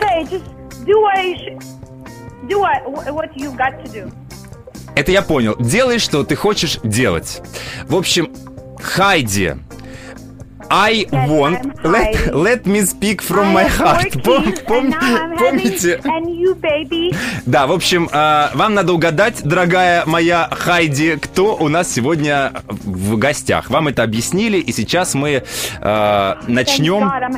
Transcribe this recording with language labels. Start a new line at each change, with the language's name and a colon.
English: Okay, just do what you got to do.
Russian: Это я понял. Делай, что ты хочешь делать. В общем, Хайди...
English: I want... Let me speak from my heart.
Russian: Помните? Да, в общем, вам надо угадать, дорогая моя Хайди, кто у нас сегодня в гостях. Вам это объяснили, и сейчас мы начнем...